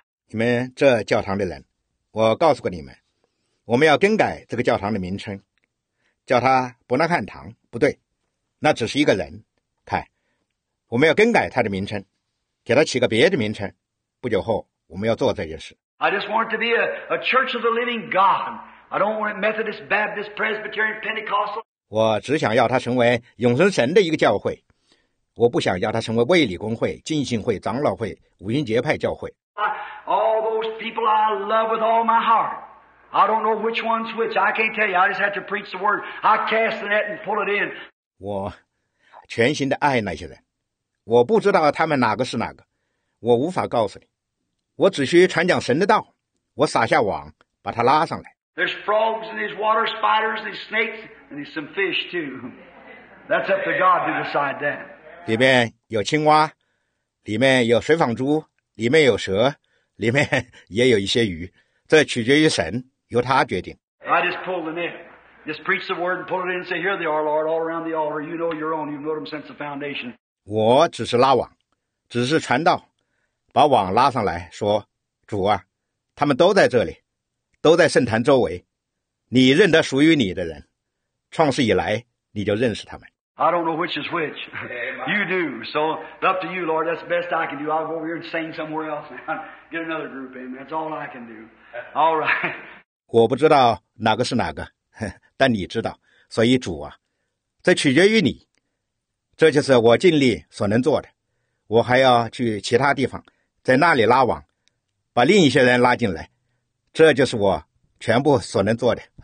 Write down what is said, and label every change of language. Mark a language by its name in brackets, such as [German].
[Chinese] 你们这教堂的人，我告诉过你们，我们要更改这个教堂的名称，叫它伯纳汉堂。不对，那只是一个人。我们要更改他的名称，给他起个别的名称。不久后，我们要做这件事。 [English] I just want it to be a church of the living God. I don't want it Methodist, Baptist, Presbyterian, Pentecostal. [Chinese] 我只想要他成为永生神的一个教会。我不想要他成为卫理公会、浸信会、长老会、五旬节派教会。 [English] All those people I love with all my heart. I don't know which one's which. I can't tell you. I just have to preach the word. I cast the net and pull it in. [Chinese] 我全心的爱那些人。我不知道他们哪个是哪个，我无法告诉你。我只需传讲神的道，我撒下网，把它拉上来。 [English] There's frogs and there's water spiders and snakes and there's some fish too. That's up to God to decide that. [Chinese] 里面有青蛙，里面有水纺猪，里面有蛇，里面也有一些鱼。这取决于神，由他决定。 [English] I just pull the net, just preach the word and pull it in and say, "Here they are, Lord, all around the altar. You know your own. You know them since the foundation." [Chinese] 我只是拉网，只是传道，把网拉上来说，主啊，他们都在这里，都在圣坛周围，你认得属于你的人，创世以来你就认识他们。 [English] I don't know which is which. You do. So up to you, Lord. That's the best I can do. I'll go over here and sing somewhere else now. Get another group in. That's all I can do. All right. [Chinese] 我不知道哪个是哪个，但你知道，所以主啊，这取决于你。这就是我尽力所能做的，我还要去其他地方，在那里拉网，把另一些人拉进来，这就是我全部所能做的。